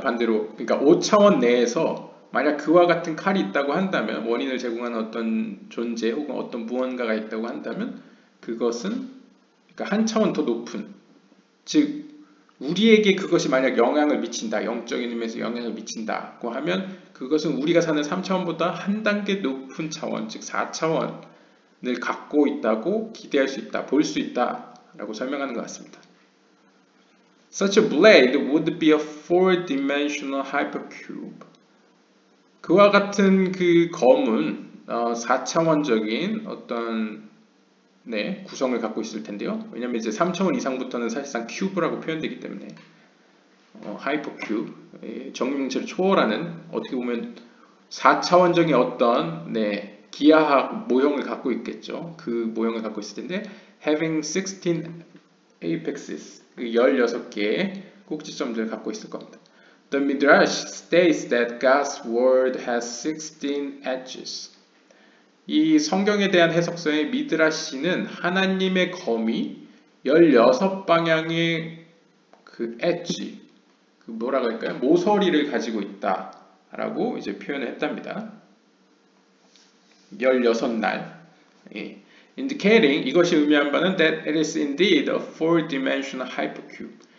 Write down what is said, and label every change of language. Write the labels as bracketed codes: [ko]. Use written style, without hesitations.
[ko] 반대로, 그러니까 5차원 내에서 만약 그와 같은 칼이 있다고 한다면, 원인을 제공하는 어떤 존재 혹은 어떤 무언가가 있다고 한다면, 그것은 그러니까 한 차원 더 높은, 즉 우리에게 그것이 만약 영향을 미친다, 영적인 의미에서 영향을 미친다고 하면 그것은 우리가 사는 3차원보다 한 단계 높은 차원, 즉 4차원을 갖고 있다고 기대할 수 있다, 볼수 있다라고 설명하는 것 같습니다. [en] Such a blade would be a four-dimensional hypercube. [ko] 그와 같은 그 검은 4차원적인 어떤 구성을 갖고 있을 텐데요. 왜냐면 이제 3차원 이상부터는 사실상 큐브라고 표현되기 때문에 하이퍼큐브, 정육면체를 초월하는 어떻게 보면 4차원적인 어떤 기하학 모형을 갖고 있겠죠. 그 모형을 갖고 있을 텐데 [en] having 16 apexes, [ko] 16개의 꼭지점들을 갖고 있을 겁니다. [en] The Midrash states that God's word has 16 edges. [ko] 이 성경에 대한 해석서의 미드라시는 하나님의 검이 16방향의 그 엣지, 그 뭐라고 할까요? 모서리를 가지고 있다라고 이제 표현을 했답니다. 16날. 예. [en] Indicating [ko] 이것이 의미한 바는 [en] that it is indeed a four-dimensional hypercube.